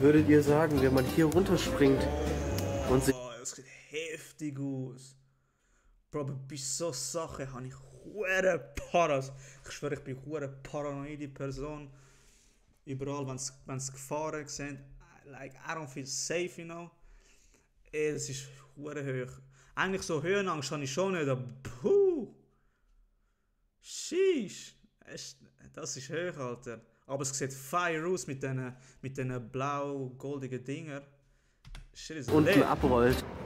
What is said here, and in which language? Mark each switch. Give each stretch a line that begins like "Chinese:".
German: Würdet ihr sagen, wenn man hier runterspringt und sich... Heftig aus. Bro, bei so Sachen habe ich hohe Paras. Ich schwöre, ich bin eine hohe paranoide Person. Überall, wenn es Gefahren sind.
English: Like, I don't feel safe, you know.
German: Ey, das ist hohe hoch. Eigentlich so Höhenangst habe ich schon nicht. Puh. Sheesh. Das ist hoch, Alter. Aber es sieht fire aus mit diesen mit den blau-goldigen Dinger. Unten abrollt.